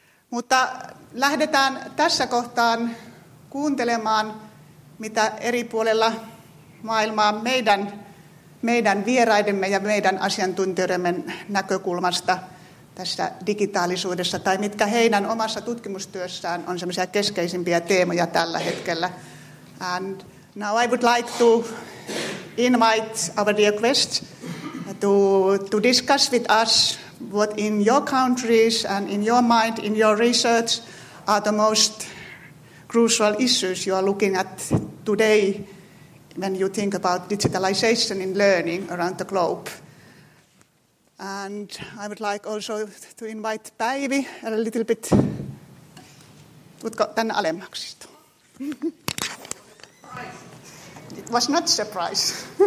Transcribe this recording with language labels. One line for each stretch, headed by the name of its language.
Finnish: Mutta lähdetään tässä kohtaan kuuntelemaan, mitä eri puolella maailmaa meidän vieraidemme ja meidän asiantuntijoidemme näkökulmasta tässä digitaalisuudessa, tai mitkä heidän omassa tutkimustyössään on semmoisia keskeisimpiä teemoja tällä hetkellä.
English: And now I would like to invite our dear guests to discuss with us what in your countries and in your mind, in your research, are the most crucial issues you are looking at today when you think about digitalization in learning around the globe. And I would like also to invite Päivi a little bit.
Finnish: Tuutko tänne alemmaksi?
English: It was not a surprise.